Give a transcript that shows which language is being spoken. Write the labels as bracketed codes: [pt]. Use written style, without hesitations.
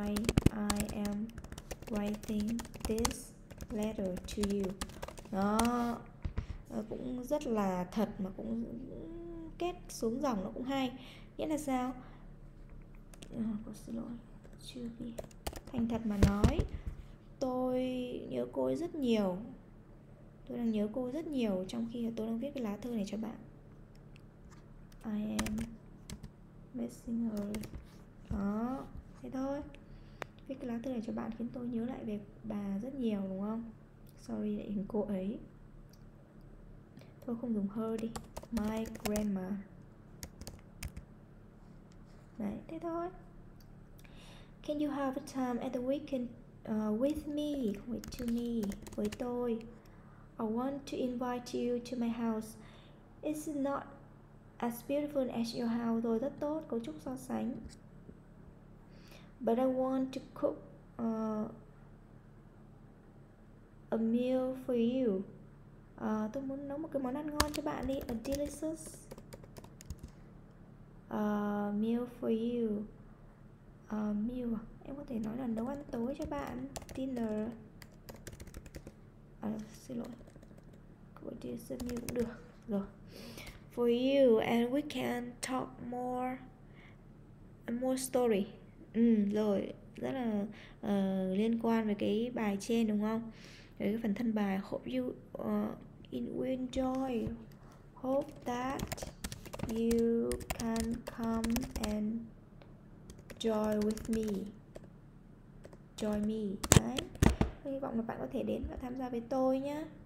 [en] Why I am writing this letter to you. [vi] Đó. Cũng rất là thật mà cũng kết xuống dòng nó cũng hay. Nghĩa là sao? Cô xin lỗi, chưa đi. Thành thật mà nói, tôi nhớ cô ấy rất nhiều. Tôi đang nhớ cô ấy rất nhiều trong khi tôi đang viết cái lá thư này cho bạn. [en] I am missing her. [vi] Đó, thế thôi. Viết cái lá thư này cho bạn khiến tôi nhớ lại về bà rất nhiều đúng không? Sorry lại hình cô ấy. Thôi không dùng her đi. [en] My grammar. [vi] Đấy, thế thôi. [en] Can you have a time at the weekend with me? With to me. [vi] Với tôi. [en] I want to invite you to my house. It's not as beautiful as your house. [vi] Rồi rất tốt, cấu trúc so sánh. [en] But I want to cook a meal for you. [vi] Tôi muốn nấu một cái món ăn ngon cho bạn đi. [en] A delicious meal for you. [vi] Meal à? Em có thể nói là nấu ăn tối cho bạn. Dinner. Xin lỗi. Cô [en] delicious meal [vi] cũng được. Rồi. [en] For you and we can talk more and more story. [vi] Rồi, rất là liên quan với cái bài trên đúng không? Với cái phần thân bài [en] hope you in enjoy. Hope that you can come and join with me. Join me. Đấy. [vi] Tôi hy vọng là bạn có thể đến và tham gia với tôi nhé.